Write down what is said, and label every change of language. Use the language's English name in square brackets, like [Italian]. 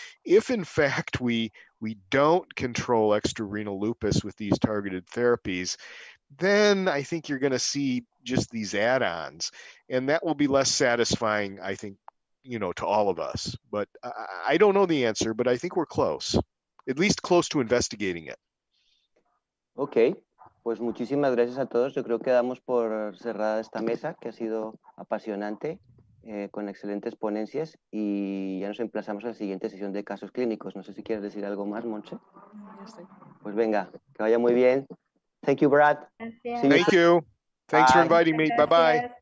[English] If in fact we don't control extrarenal lupus with these targeted therapies, then I think you're going to see just these add-ons, and that will be less satisfying, I think, you know, to all of us. But I don't know the answer, but I think we're close, at least close to investigating it. [Spanish] Okay. Pues muchísimas gracias a todos. Yo creo que damos por cerrada esta mesa, que ha sido apasionante, con excelentes ponencias, y ya nos emplazamos a la siguiente sesión de casos clínicos. No sé si quieres decir algo más, Monse. Pues venga, que vaya muy bien. [English] Thank you, Brad. Thank you. Thanks for inviting me. Bye-bye.